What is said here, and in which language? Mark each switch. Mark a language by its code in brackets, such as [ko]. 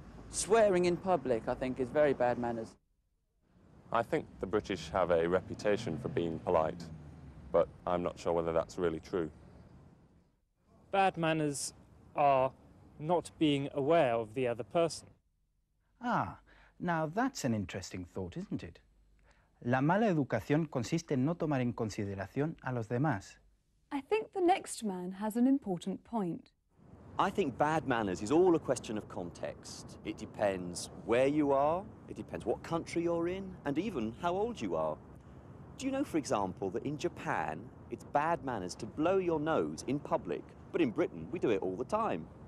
[en] Swearing in public, I think, is very bad manners. I think the British have a reputation for being polite, but I'm not sure whether that's really true. Bad manners are not being aware of the other person. Ah. Now, that's an interesting thought, isn't it? [es] La mala educación consiste en no tomar en consideración a los demás. [en] I think the next man has an important point. I think bad manners is all a question of context. It depends where you are, it depends what country you're in, and even how old you are. Do you know, for example, that in Japan, it's bad manners to blow your nose in public, but in Britain, we do it all the time.